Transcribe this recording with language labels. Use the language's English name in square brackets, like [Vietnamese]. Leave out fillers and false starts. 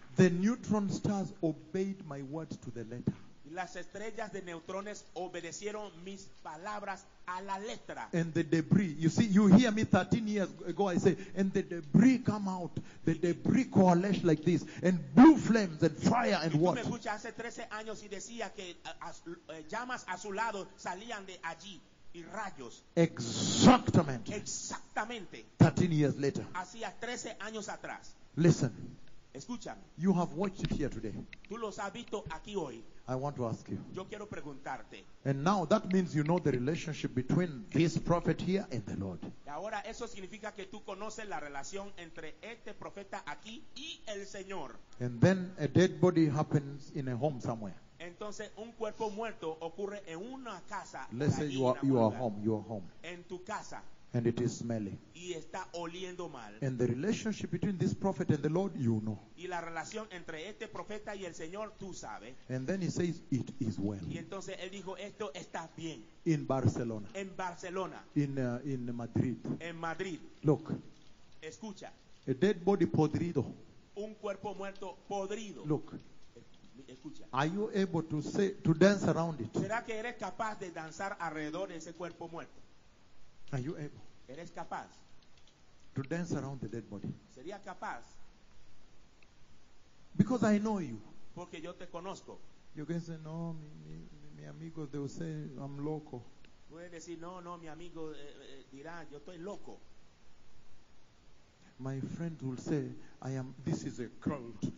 [English] the neutron stars obeyed my words to the letter. [Spanish] Las estrellas de neutrones obedecieron mis palabras a la letra. [English] And the debris, you see, you hear me 13 years ago, I say, and the debris come out, the debris coalesce like this, and blue flames and fire and what? [Spanish] Y tú me escuchas hace 13 años y decía que llamas azulados salían de allí y rayos. Exactamente. Exactamente. [English] 13 years later. [Spanish] Hacía 13 años atrás. [English] Listen. [Spanish] Escúchame. [English] You have watched it here today. [Spanish] Tú los has visto aquí hoy. [English] I want to ask you. [Spanish] Yo quiero preguntarte. [English] And now that means you know the relationship between this prophet here and the Lord. [Spanish] Ahora eso significa que tú conoces la relación entre este profeta aquí y el Señor. [English] And then a dead body happens in a home somewhere. [Spanish] Entonces un cuerpo muerto ocurre en una casa. [English] Let's say you are home. [Spanish] En tu casa. [English] And it is smelly. [Spanish] Y está oliendo mal. [English] And the relationship between this prophet and the Lord, you know. [Spanish] Y la relación entre este profeta y el Señor, tú sabes. [English] And then he says, it is well. [Spanish] Y entonces él dijo, esto está bien. [English] In Barcelona. [Spanish] En Barcelona. [English] In Madrid. [Spanish] En Madrid. [English] Look. [Spanish] Escucha. [English] A dead body podrido. [Spanish] Un cuerpo muerto podrido. [English] Look. [Spanish] Escucha. [English] Are you able to say, to dance around it? [Spanish] ¿Será que eres capaz de danzar alrededor de ese cuerpo muerto? [English] Are you able? [Spanish] ¿Eres capaz? [English] To dance around the dead body. [Spanish] ¿Sería capaz? [English] Because I know you. [Spanish] Porque yo te conozco. [English] You can say, [Spanish] no, mi amigo, [English] they will say, I'm loco. [Spanish] Puedes decir, no, mi amigo dirá, yo estoy loco. [English] My friend will say, this is a cult.